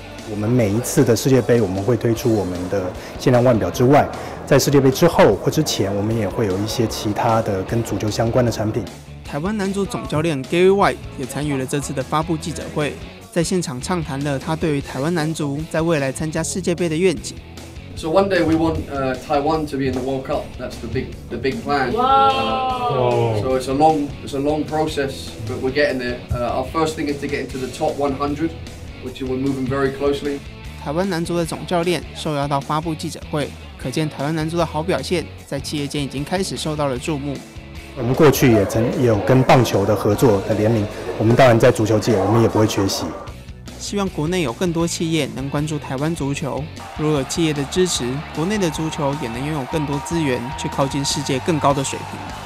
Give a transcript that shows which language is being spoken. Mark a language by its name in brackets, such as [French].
[Chinese] 我们每一次的世界杯，我们会推出我们的限量腕表之外，在世界杯之后或之前，我们也会有一些其他的跟足球相关的产品。台湾男足总教练 Gary White 也参与了这次的发布记者会。在现场畅谈了他对于台湾男足在未来参加世界杯的愿景。 [English] So one day we want Taiwan to be in the World Cup. That's the big plan. So it's a long process, but we're getting there. Our first thing is to get into the top 100, which we're moving very closely. [Chinese] 台湾男足的总教练受邀到发布记者会，可见台湾男足的好表现在企业间已经开始受到了注目。我们过去也有跟棒球的合作的联名，我们当然在足球界我们也不会缺席。希望国内有更多企业能关注台湾足球，如果有企业的支持，国内的足球也能拥有更多资源去靠近世界更高的水平。